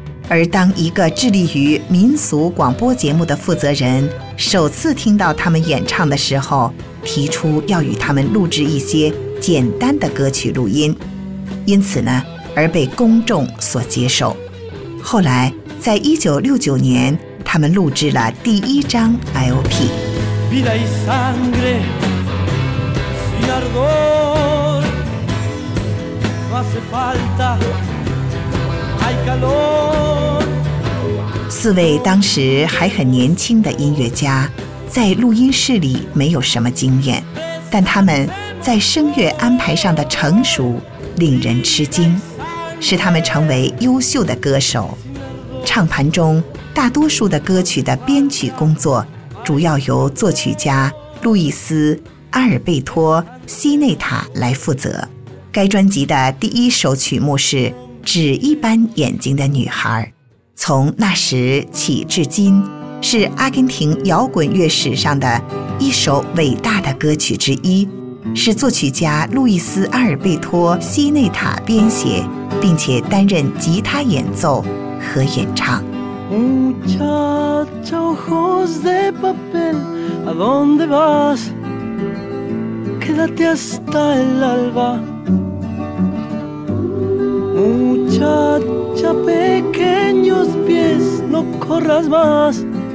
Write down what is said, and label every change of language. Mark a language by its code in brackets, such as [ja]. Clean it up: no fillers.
[zh] 而当一个致力于民俗广播节目的负责人首次听到他们演唱的时候，提出要与他们录制一些简单的歌曲录音，因此呢而被公众所接受。后来在1969年，他们录制了第一张 LP。 [es] Vida y sangre, sin ardor, no hace falta, hay calor. [zh] 四位当时还很年轻的音乐家，在录音室里没有什么经验，但他们在声乐安排上的成熟令人吃惊，使他们成为优秀的歌手。唱盘中大多数的歌曲的编曲工作主要由作曲家路易斯·阿尔贝托·西内塔来负责。该专辑的第一首曲目是《纸一般眼睛的女孩》，从那时起至今，是阿根廷摇滚乐史上的一首伟大的歌曲之一，是作曲家路易斯·阿尔贝托·西内塔编写，并且担任吉他演奏和演唱。 [es] Muchacha, ojos de papel, ¿a dónde vas? Quédate hasta el alba. Muchacha, pequeños pies, no corras más.